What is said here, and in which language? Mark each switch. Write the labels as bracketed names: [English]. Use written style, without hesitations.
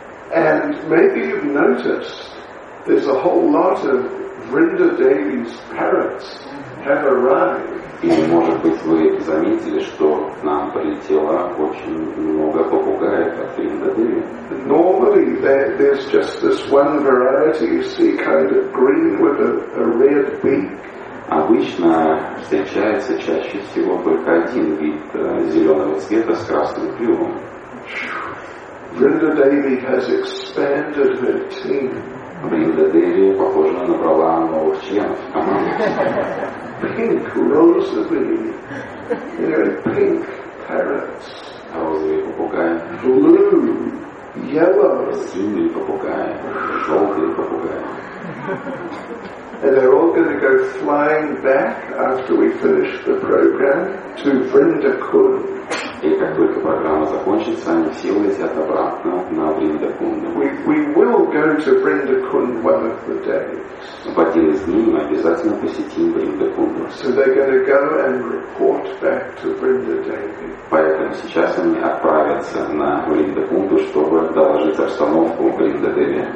[English] And maybe you've noticed there's a whole lot of Vrinda Devi's parrots have arrived. [Russian] И, может быть, вы заметили, что к нам прилетело очень много попугаев от Vrinda Devi. [English] Normally, there's just this one variety you see, kind of green with a red beak. [Russian] Обычно встречается чаще всего только один вид зеленого цвета с красным клювом. [English] Vrinda Devi has expanded her team. [Russian] Vrinda Devi, похоже, набрала новых членов команды. [English] Pink rosary. Very pink parrots. [Russian] Розовые попугаи. [English] Blue. Yellow. [Russian] Синие попугаи. Желтые попугаи. [English] And they're all going to go flying back after we finish the program to Vrindakun. [Russian] И как только программа закончится, они все улетят обратно на Вриндакунду. [English] We will go to Vrindakun one of the days. [Russian] В один из дней мы обязательно посетим Вриндакунду. [English] So they're going to go and report back to Vrindadevi. [Russian] Поэтому сейчас они отправятся на Вриндакунду, чтобы доложить обстановку Вриндадеви.